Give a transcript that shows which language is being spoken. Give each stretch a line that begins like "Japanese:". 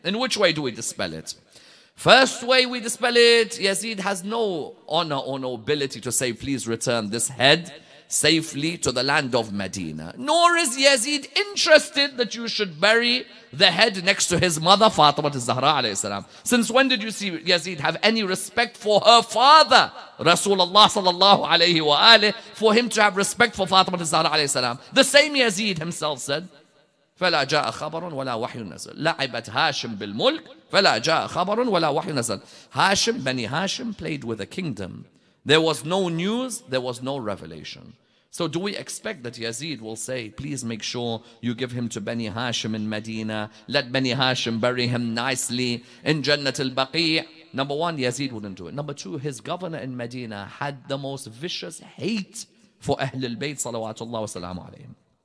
English: In which way do we dispel it? First way we dispel it, Yazid has no honor or nobility to say, please return this head safely to the land of Medina. Nor is Yazid interested that you should bury the head next to his mother, Fatima al-Zahra alayhi salam. Since when did you see Yazid have any respect for her father, Rasulullah sallallahu alayhi wa alayhi, for him to have respect for Fatima al-Zahra alayhi salam? The same Yazid himself said,
Arabic: فَلَا جَاءَ خَبَرٌ وَلَا وَحْيٌ نَزَلٌ لَعِبَتْ هَاشِمْ بِالْمُلْكِ فَلَا جَاءَ خَبَرٌ وَلَا وَحْيٌ نَزَلٌ.
English: Hashim, Bani Hashim, played with a kingdom. There was no news, there was no revelation. So do we expect that Yazid will say, please make sure you give him to Bani Hashim in Medina, let Bani Hashim bury him nicely in Jannat al-Baqi'? Number one, Yazid wouldn't do it. Number two, his governor in Medina had the most vicious hate for Ahlul Bayt, salawatullah wa salamu alayhim.